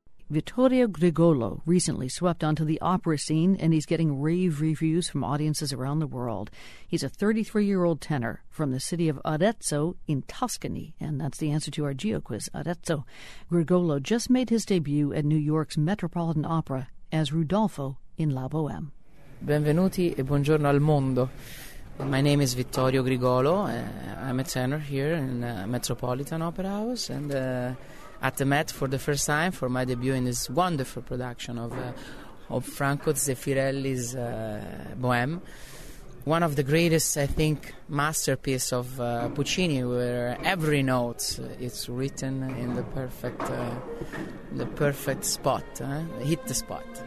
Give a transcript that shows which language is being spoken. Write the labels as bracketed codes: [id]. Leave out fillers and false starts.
[en] Vittorio Grigolo recently swept onto the opera scene, and he's getting rave reviews from audiences around the world. He's a 33-year-old tenor from the city of Arezzo in Tuscany, and that's the answer to our geo-quiz, Arezzo. Grigolo just made his debut at New York's Metropolitan Opera as Rudolfo in La Boheme. [it] Benvenuti e buongiorno al mondo. [en] My name is Vittorio Grigolo. I'm a tenor here in Metropolitan Opera House, and at the Met for the first time for my debut in this wonderful production of Franco Zeffirelli's Boheme, one of the greatest, I think, masterpiece of Puccini, where every note is written in the perfect spot, hit the spot.